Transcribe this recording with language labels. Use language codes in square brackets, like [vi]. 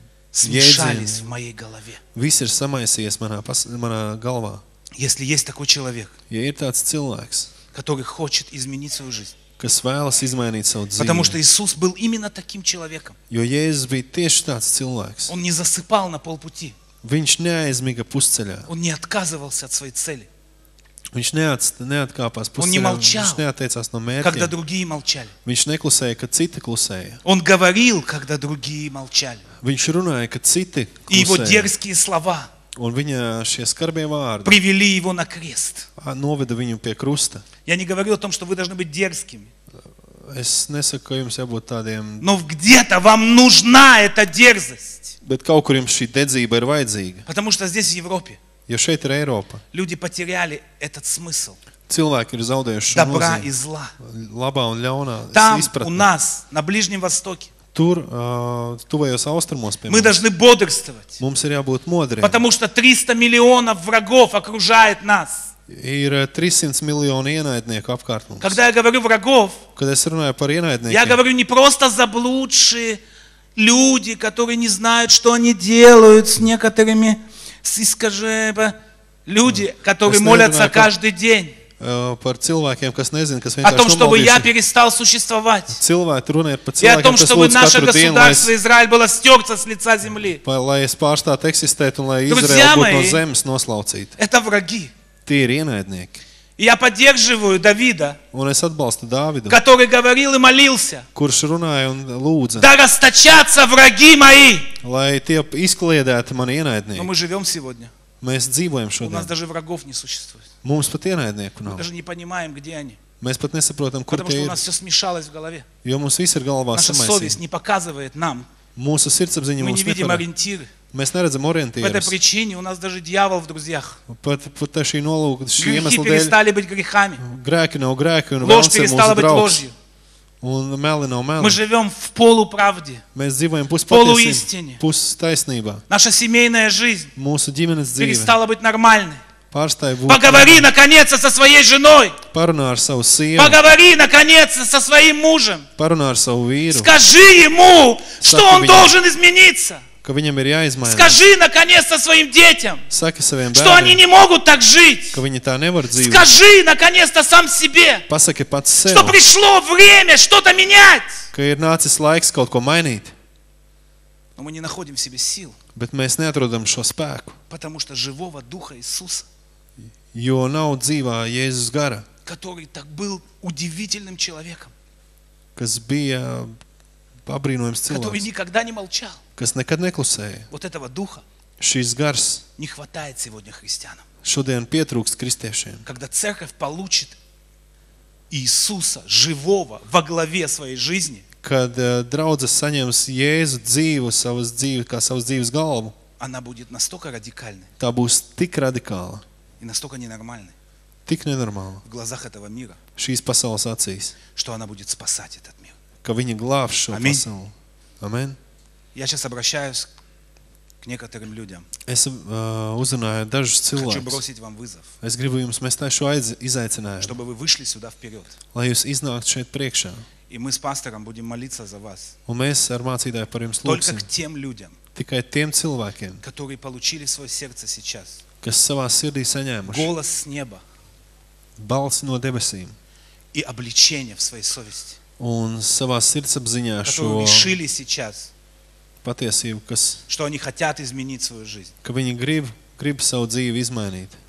[ru] Смешались в моей голове. [lv] Viss ir samaisies manā galvā. [ru] Если есть такой человек. [lv] Ja ir tāds cilvēks. [ru] Который хочет изменить свою жизнь. [lv] Kas vēlas izmainīt savu dzīvi. [ru] Потому что Иисус был именно таким человеком. [lv] Jo Jēzus bija tieši tāds cilvēks. [ru] Он не засыпал на полпути. [lv] Viņš neaizmiga pusceļā. [ru] Он не отказывался от своей цели. [lv] Viņš neatkāpās pusceļā. Viņš neatteicās no mērķa. [ru] Когда другие молчали. [lv] Viņš neklusēja, kad citi klusēja. [ru] Он говорил, когда другие молчали. [lv] Viņš runāja, kad citi klusēja. [ru] И его дерзкие слова. [lv] Un viņa šie skarbie vārdi. [ru] Привели его на крест. [lv] Noveda viņu pie krusta. [ru] Я не говорю о том, что вы должны быть дерзкими. [lv] Es nesaku, ka jums jābūt tādiem. [ru] Но где-то вам нужна эта дерзость. [lv] Bet kaut kur jums šī dedzība ir vajadzīga. [ru] Потому что здесь в Европе. [lv] Jo šeit ir Eiropa. [ru] Люди потеряли этот смысл. [lv] Cilvēki ir zaudējuši šo nozīmi. [ru] Добра и зла. [lv] Labā un ļaunā izpratni. [ru] Там у нас на Ближнем Востоке. [lv] Tur, tuvajos austrumos, piemēram. [ru] Мы должны бодрствовать. [lv] Mums ir jābūt modriem. [ru] Потому что 300 миллионов врагов окружает нас. [lv] Ir 300 miljonu ienaidnieku apkārt mums. [ru] Когда я говорю врагов, [lv] kad es runāju par ienaidniekiem, [ru] я говорю не просто заблудшие люди, которые не знают, что они делают с некоторыми, с искажебе, люди, которые молятся каждый день. [lv] Par cilvēkiem, kas nezin, kas [ru] о том, чтобы я перестал существовать. [lv] Cilvēki runā par cilvēkiem, [ru] и о том, чтобы наше государство Израиль было стёрто с лица земли. [lv] Lai es pārstātu eksistēt un lai Izraela būtu no zemes noslaucīta. [ru] Это враги. [lv] Tie ir ienaidnieki. [ru] Я поддерживаю Давида. [lv] Un es atbalstu Dāvidu. [ru] Который говорил и молился. [lv] Kurš runāja un lūdza. [ru] Да расточатся враги мои. [lv] Lai tie izkliedētu mani ienaidnieki. [ru] Но мы живём сегодня. [lv] Mēs dzīvojam šodien. [ru] У нас даже врагов не существует. [lv] Mums pat ienaidnieku nav. [ru] Мы даже не понимаем, где они. [lv] Mēs pat nesaprotam, kur tie ir. [ru] Потому что у нас все смешалось в голове. [lv] Jo mums viss ir galvā samaisīts. [ru] Наша совесть не показывает нам. [lv] Mūsu sirdsapziņa mums neparāda. [ru] Мы не видим ориентиры. [lv] Mēs neredzam orientīru. [ru] По этой причине у нас даже дьявол в друзьях. [lv] Pat šī nolūka, šī iemesla dēļ. [ru] Грехи перестали быть грехами. Грехи [lv] нав [ru] грехи, [lv] un [ru] ложь перестала быть ложью. [lv] Un meli nav meli. [ru] Мы живем в полуправде. [lv] Mēs dzīvojam puspatiesībā. Pustaisnībā. [ru] Наша семейная жизнь. [lv] Mūsu ģimenes dzīve. [ru] Перестала быть нормальной. [lv] Pārstāj būt. [ru] Поговори наконец со своей женой. [lv] Parunā ar savu sievu. [ru] Поговори наконец со своим мужем. [lv] Parunā ar savu vīru. [ru] Скажи ему, что он должен измениться. [lv] Ka viņam ir jāizmainās. [ru] Скажи наконец со своим детям. [lv] Saki saviem bērniem. [ru] Что они не могут так жить. [lv] Ka viņi tā nevar dzīvot. [ru] Скажи наконец сам себе. [lv] Pasaki pats sev. [ru] Что пришло время что-то менять. [lv] Ka ir nācis laiks kaut ko mainīt. [ru] Но мы не находим в себе сил. [lv] Bet mēs neatrodam šo spēku. [ru] Потому что живого духа Иисуса. [lv] Jo nav dzīvā Jēzus gara. [ru] Который так был удивительным человеком. [lv] Kas bija apbrīnojams cilvēks. [ru] Который никогда не молчал. [lv] Kas nekad neklusēja. [ru] Вот этого духа. [lv] Šis gars. [ru] Не хватает сегодня христианам. [lv] Šodien pietrūkst kristiešiem. [ru] Когда церковь получит Иисуса живого во главе своей жизни. [lv] Kad draudze saņems Jēzu dzīvu savas dzīves kā savas dzīves galvu. [ru] Она будет настолько радикальной. [lv] Tā būs tik radikāla. [ru] И настолько ненормальной. [lv] Tik nenormāla. [ru] В глазах этого мира. [lv] Šīs pasaules acīs. [ru] Что она будет спасать этот мир. [lv] Ka viņa glābs šo pasauli. Amen. [ru] Я сейчас обращаюсь к некоторым людям. [lv] Es uzrunāju dažus cilvēkus. [ru] Хочу бросить вам вызов. [lv] Es gribu jums mest šo izaicinājumu. [ru] Чтобы вы вышли сюда вперед. [lv] Lai jūs iznāktu šeit priekšā. [ru] И мы с пастором будем молиться за вас. [lv] Un mēs ar mācītāju par jums lūksim. [ru] Только к тем людям. [lv] Tikai tiem cilvēkiem. [ru] Которые получили свое сердце сейчас. [lv] kas savā sirdī saņēmuši. [ru] Голос с неба. [lv] Balsi no debesīm. [ru] И обличение в своей совести. [lv] Un savā sirdsapziņā šo [ru] решили сейчас. [lv] Patiesību, kas [ru] что они хотят изменить свою жизнь. [lv] Ka viņi grib savu dzīvi izmainīt.